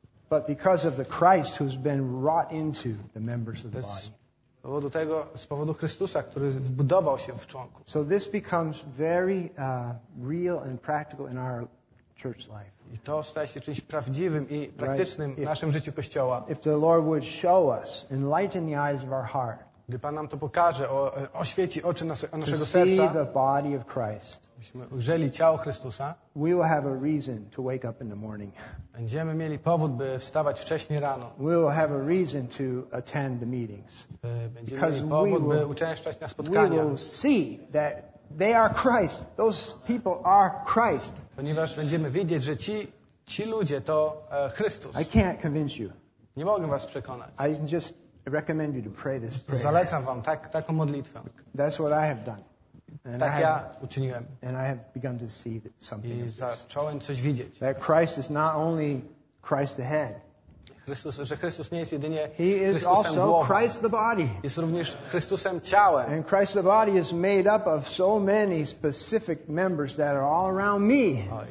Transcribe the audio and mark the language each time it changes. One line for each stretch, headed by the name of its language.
English: but because of the Christ who's been wrought into the members of the body.
Polish: Z powodu Chrystusa, który wbudował się w członku.
English: So this becomes very real and practical in our church life.
Polish: I to staje się czymś prawdziwym i praktycznym w naszym życiu kościoła.
English: If the Lord would show us, enlighten the eyes of our heart.
Polish: Gdy Pan nam to pokaże, oświeci oczy naszego serca,
English: the body of Christ,
Polish: byśmy ujrzeli ciało Chrystusa,
English: we will have a reason to wake up in the morning.
Polish: Będziemy mieli powód, by wstawać wcześniej rano.
English: We will have a reason to attend the meetings.
Polish: Będziemy mieli powód, by uczęszczać na spotkania.
English: We will see that they are Christ. Those people are Christ.
Polish: Ponieważ będziemy widzieć, że ci ludzie to Chrystus.
English: I can't convince you.
Polish: Nie mogę was przekonać.
English: I can just I recommend you to pray this prayer.
Polish: Zalecam wam taką modlitwę.
English: That's what I have done.
Polish: And tak ja uczyniłem.
English: And I have begun to see something.
Polish: I zacząłem coś widzieć.
English: That Christ is not only Christ the head.
Polish: Chrystus nie jest jedynie Chrystusem głową.
English: He is also Christ the body.
Polish: Jest również Chrystusem ciałem.
English: And Christ the body is made up of so many specific members that are all around me.